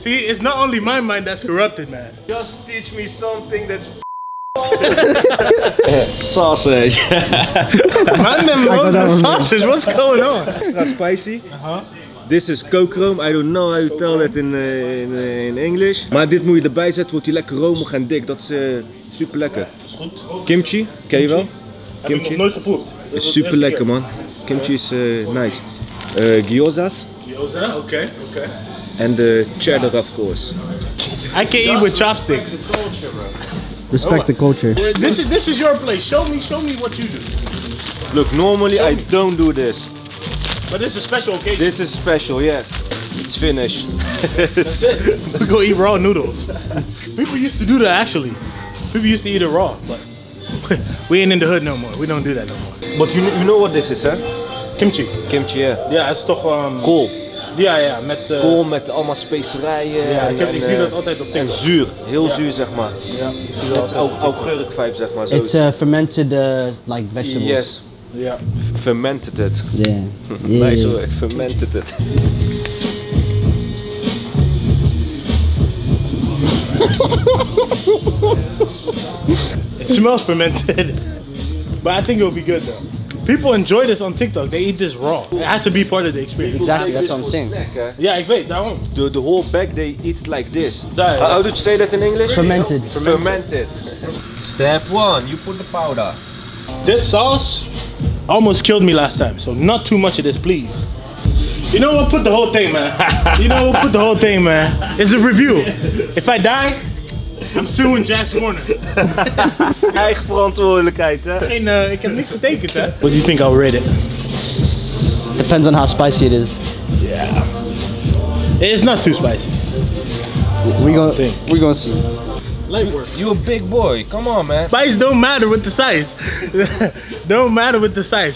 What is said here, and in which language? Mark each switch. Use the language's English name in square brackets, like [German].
[English] See, it's not only my mind that's corrupted, man. Just teach me something that's sausage. Man, them loves the sausage. Me. What's going on? Extra spicy. Uh-huh. This is kokroom. I don't know how you tell that in English. [Dutch] Maar dit moet je erbij zetten, wordt die lekker romig en dik. Dat is super lekker. Is goed. Kimchi, ken je wel? Kimchi. Heb ik nog nooit geproefd. Is super lekker, man. [English] Kimchi is nice. [Dutch] Gyoza's. [English] Gyoza, okay. And cheddar, of course. I can eat with chopsticks. Respect the culture. This is your place. Show me what you do. Look, normally I don't do this. But this is a special occasion. This is special, yes. It's finished. That's it. We go eat raw noodles. People used to do that, actually. People used to eat it raw, but we ain't in the hood no more. We don't do that no more. But you know what this is, huh? Kimchi. Kimchi, yeah. Yeah, it's toch... [Dutch] Kool. Ja, ja, met... Kool met allemaal specerijen. Ja, ik zie dat altijd op TikTok. En zuur. Heel zuur, zeg maar. Ja. Het is augurk vibe, zeg maar. [English] It's fermented, like, vegetables. Yes. [Dutch] Ja. [English] Fermented it. Yeah. Nice word. Fermented it. It smells fermented. But I think it'll be good, though. People enjoy this on TikTok, they eat this raw. It has to be part of the experience. Exactly, that's what I'm saying. Yeah, I wait, that one. The whole bag, they eat it like this. How did you say that in English? Fermented. Fermented. Step one, you put the powder. This sauce almost killed me last time, so not too much of this, please. You know what, put the whole thing, man. It's a review. If I die, I'm suing Jack's corner. [Dutch] Eigen verantwoordelijkheid, hè? Ik heb niks getekend, hè? [English] What do you think I'll rate it? Depends on how spicy it is. Yeah. It's not too spicy. We're gonna see. Light work. You a big boy. Come on, man. Spice don't matter with the size. Don't matter with the size.